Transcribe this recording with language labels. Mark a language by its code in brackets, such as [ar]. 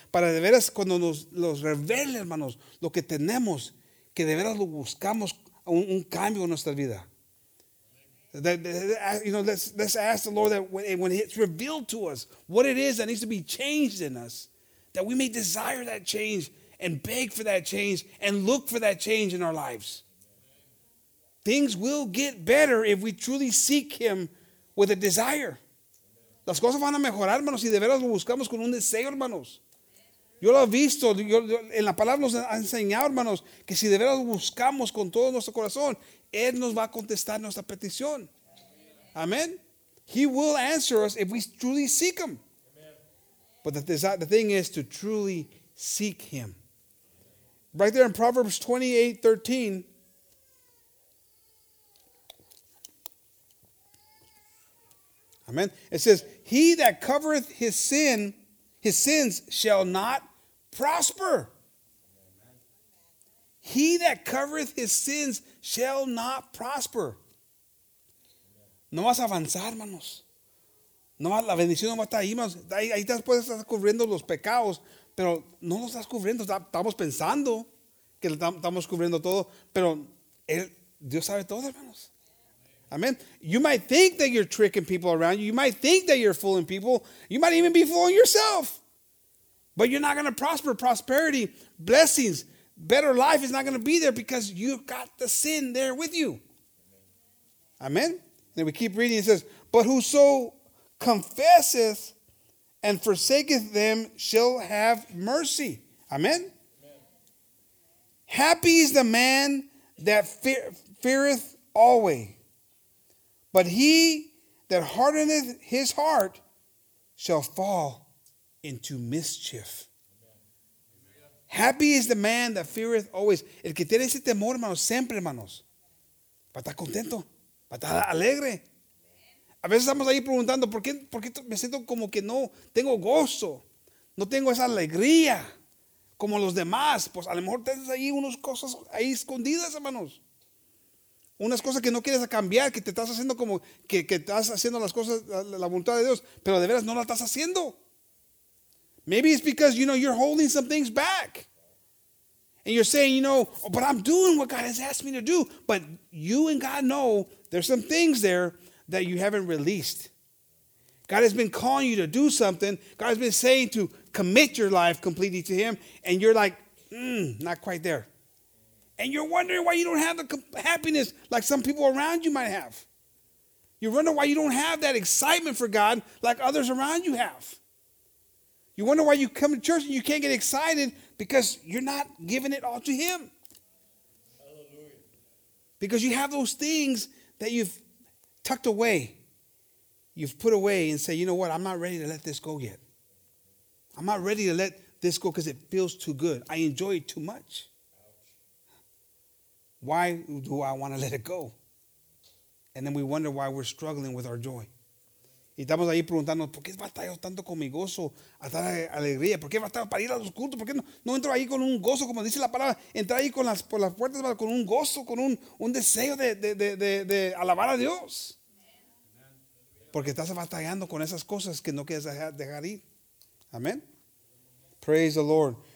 [es] Para de veras, cuando nos los revele, hermanos, lo que tenemos, que de veras lo buscamos un cambio en nuestra vida. [en] Let's ask the Lord that when it's revealed to us what it is that needs to be changed in us, that we may desire that change and beg for that change and look for that change in our lives. Things will get better if we truly seek Him with a desire. [es] Las cosas van a mejorar, hermanos, si de veras lo buscamos con un deseo, hermanos. Yo lo he visto, en la palabra nos ha enseñado, hermanos, que si de veras lo buscamos con todo nuestro corazón, Él nos va a contestar nuestra petición. [en] Amen. He will answer us if we truly seek Him. But the thing is to truly seek Him. Right there in Proverbs 28:13. Amen. It says, he that covereth his sins shall not prosper. He that covereth his sins shall not prosper. [es] No vas a avanzar, hermanos. No, la bendición no va a estar ahí, hermanos. Ahí puedes estar cubriendo los pecados, pero no los estás cubriendo. Estamos pensando que estamos cubriendo todo, pero Dios sabe todo, hermanos. Amen. [en] You might think that you're tricking people around you. You might think that you're fooling people. You might even be fooling yourself. But you're not going to prosper. Prosperity, blessings, better life is not going to be there because you've got the sin there with you. Amen. And then we keep reading. It says, but whoso confesseth and forsaketh them shall have mercy. Amen. Happy is the man that feareth always. But he that hardeneth his heart shall fall into mischief. Happy is the man that feareth always. [es] El que tiene ese temor, hermanos, siempre, hermanos. Va a estar contento. Va a estar alegre. A veces estamos ahí preguntando, ¿por qué me siento como que no tengo gozo? No tengo esa alegría como los demás. Pues a lo mejor tienes ahí unas cosas ahí escondidas, hermanos. Unas cosas que no quieres cambiar, que te estás haciendo como que estás haciendo las cosas, la voluntad de Dios, pero de veras no la estás haciendo. [en] Maybe it's because, you know, you're holding some things back. And you're saying, you know, oh, but I'm doing what God has asked me to do. But you and God know there's some things there that you haven't released. God has been calling you to do something. God has been saying to commit your life completely to Him. And you're like, not quite there. And you're wondering why you don't have the happiness like some people around you might have. You're wondering why you don't have that excitement for God like others around you have. You wonder why you come to church and you can't get excited because you're not giving it all to Him. Hallelujah. Because you have those things that you've tucked away. You've put away and say, you know what? I'm not ready to let this go yet. I'm not ready to let this go because it feels too good. I enjoy it too much. Why do I want to let it go? And then we wonder why we're struggling with our joy. [es] Y estamos ahí preguntando, ¿por qué batallo tanto con mi gozo? A tal alegría. ¿Por qué batallo para ir a los cultos? ¿Por qué no entro ahí con un gozo? Como dice la palabra, entrar ahí por las puertas con un gozo, con un deseo de alabar a Dios. Porque estás batallando con esas cosas que no quieres dejar ir. Amén. [en] Praise the Lord.